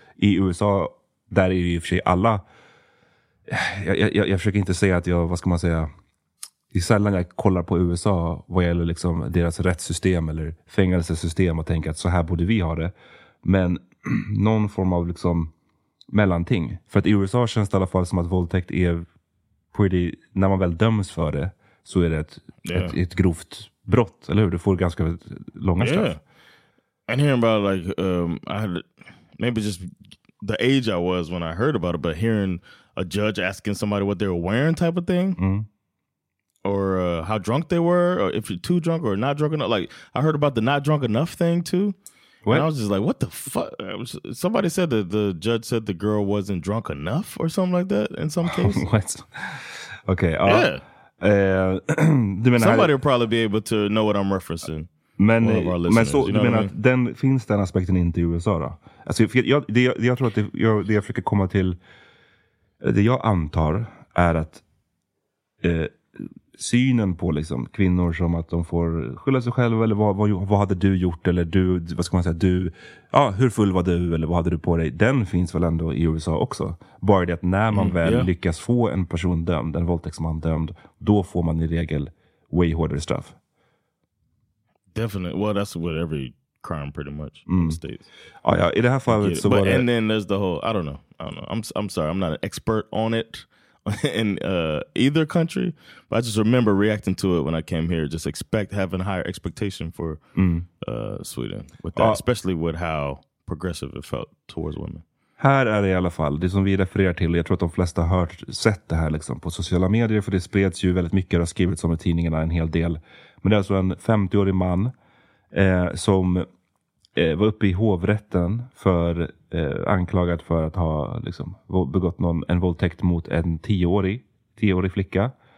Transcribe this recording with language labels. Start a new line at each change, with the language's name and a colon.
Swedish: I USA, där är ju i och för sig alla, jag försöker inte säga att jag, vad ska man säga, det är sällan jag kollar på USA vad gäller liksom deras rättssystem eller fängelsesystem och tänker att så här borde vi ha det. Men någon form av liksom mellanting. För att i USA känns det i alla fall som att våldtäkt är pretty, när man väl döms för det så är det ett grovt brott, eller hur? Du får ganska långa straff.
English: Yeah. And hearing about like I had maybe just the age I was when I heard about it, but hearing a judge asking somebody what they were wearing type of thing. Mm. Or how drunk they were, or if you're too drunk or not drunk enough. Like, I heard about the not drunk enough thing too. What? And I was just like, what the fuck? Somebody said that the judge said the girl wasn't drunk enough or something like that in some case. What? Okay. Yeah. Somebody will probably be able to know what I'm referencing. Men, one of our listeners.
Swedish: Men så,
English: you know,
Swedish: men att den finns den aspekten inte i USA då? Alltså, jag tror att det jag försöker komma till, det jag antar är att synen på liksom kvinnor som att de får skylla sig själva, eller vad hade du gjort, eller du, vad ska man säga, du, ja, hur full var du, eller vad hade du på dig, den finns väl ändå i USA också. Bara det att när man lyckas få en person dömd, en våldtäktsman dömd, då får man i regel way hårdare straff.
English: Definitely. Well, that's what every crime pretty much states.
Swedish: Ja, ja, i det här fallet så var det.
English: And then there's the whole, I don't know. I'm sorry, I'm not an expert on it. In either country, but I just remember reacting to it when I came here, just having higher expectation for Sweden with that, especially with how progressive it felt towards women.
Swedish: Här är det i alla fall, det som vi refererar till, jag tror att de flesta har sett det här liksom på sociala medier, för det spreds ju väldigt mycket och har skrivits om i tidningarna en hel del. Men det är alltså en 50-årig man som var uppe i hovrätten för anklagad för att ha liksom begått en våldtäkt mot en 10-årig flicka.